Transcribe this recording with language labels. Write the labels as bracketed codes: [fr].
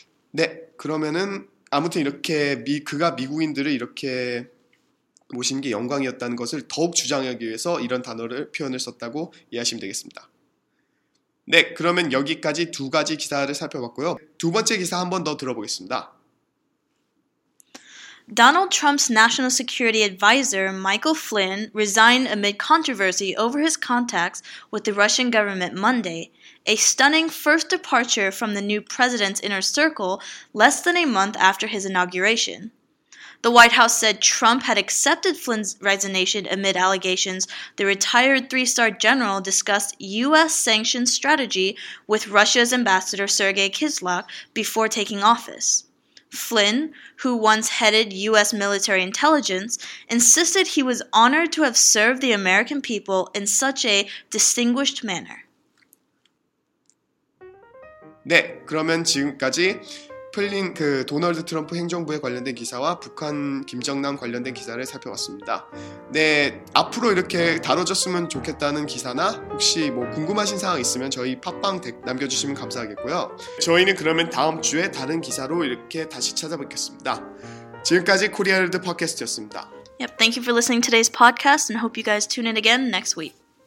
[ko] 네, 그러면은 아무튼 이렇게 그가 미국인들을 이렇게 모신 게 영광이었다는 것을 더욱 주장하기 위해서 이런 단어를 표현을 썼다고 이해하시면 되겠습니다. 네, 그러면 여기까지 두 가지 기사를 살펴봤고요. 두 번째 기사 한 번 더 들어보겠습니다. [en] Donald Trump's national security advisor, Michael Flynn, resigned amid controversy over his contacts with the Russian government Monday, a stunning first departure from the new president's inner circle less than a month after his inauguration. The White House said Trump had accepted Flynn's resignation amid allegations the retired three-star general discussed U.S. sanctions strategy with Russia's ambassador Sergei Kislyak before taking office. Flynn, who once headed U.S. military intelligence, insisted he was honored to have served the American people in such a distinguished manner. [ko] 네, 그러면 지금까지 플린 그 도널드 트럼프 행정부에 관련된 기사와 북한 김정남 관련된 기사를 살펴봤습니다. 네, 앞으로 이렇게 다뤄졌으면 좋겠다는 기사나 혹시 뭐 궁금하신 사항 있으면 저희 팟빵 남겨주시면 감사하겠고요. 저희는 그러면 다음 주에 다른 기사로 이렇게 다시 찾아뵙겠습니다. 지금까지 코리아월드 팟캐스트였습니다. [en] Yep, thank you for listening to today's podcast and hope you guys tune in again next week.